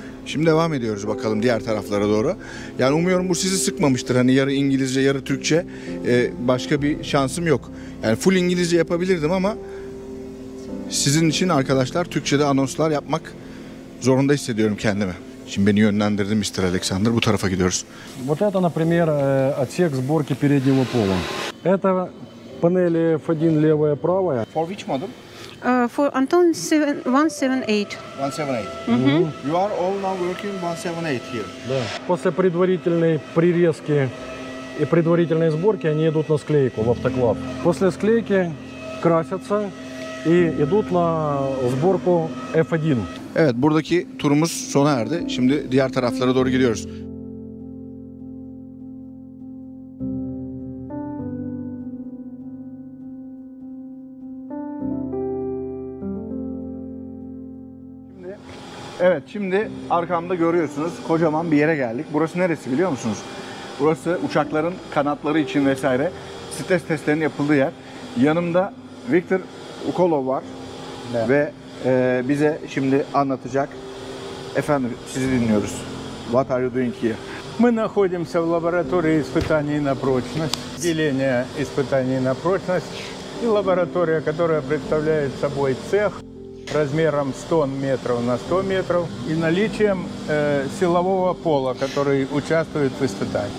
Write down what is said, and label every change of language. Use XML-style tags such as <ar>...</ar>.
<tr>Şimdi devam ediyoruz bakalım diğer taraflara doğru. Yani umuyorum bu sizi sıkmamıştır. Hani yarı İngilizce, yarı Türkçe. Başka bir şansım yok. Yani full İngilizce yapabilirdim ama sizin için arkadaşlar Türkçe'de anonslar yapmak zorunda hissediyorum kendimi. Şimdi beni yönlendirdi Mr. Alexander. Bu tarafa gidiyoruz.</tr> <ru>Вот это, например, отсек сборки переднего пола. Это панели F1 левая, правая.</ru> <en>For which model? For Anton 178. 178. Mm-hmm. You are all now working 178 here.</en> <ru>Да. После предварительной прирезки и предварительной сборки они идут на склейку в автоклав. После склейки красятся и идут на сборку F1.</ru> <tr>Evet, buradaki turumuz sona erdi. Şimdi diğer taraflara doğru gidiyoruz. Şimdi, evet, şimdi arkamda görüyorsunuz kocaman bir yere geldik. Burası neresi biliyor musunuz? Burası uçakların kanatları için vesaire stres testlerinin yapıldığı yer. Yanımda Viktor Ukolov var ve bize şimdi anlatacak. Efendim, sizi dinliyoruz.</tr> <en>What are you doing here?</en> <ru>Мы находимся в лаборатории испытаний на прочность, отделение испытаний на прочность и лаборатория, которая представляет собой цех размером 100 метров на 100 метров и наличием силового пола, который участвует в испытании.</ru>